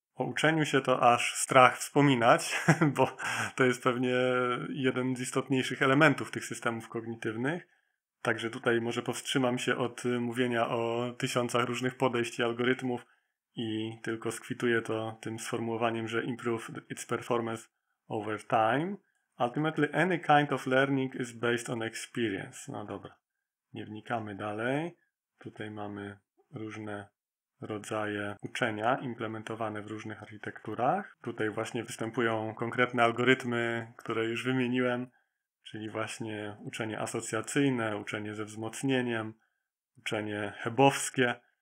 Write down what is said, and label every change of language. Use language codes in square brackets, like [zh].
[pl] O uczeniu się to aż strach wspominać, bo to jest pewnie jeden z istotniejszych elementów tych systemów kognitywnych. Także tutaj może powstrzymam się od mówienia o tysiącach różnych podejść i algorytmów i tylko skwituję to tym sformułowaniem, że [en] improve its performance over time. Ultimately any kind of learning is based on experience. [pl] No dobra, nie wnikamy dalej. Tutaj mamy różne rodzaje uczenia implementowane w różnych architekturach. Tutaj właśnie występują konkretne algorytmy, które już wymieniłem, czyli właśnie uczenie asocjacyjne, uczenie ze wzmocnieniem, uczenie hebowskie.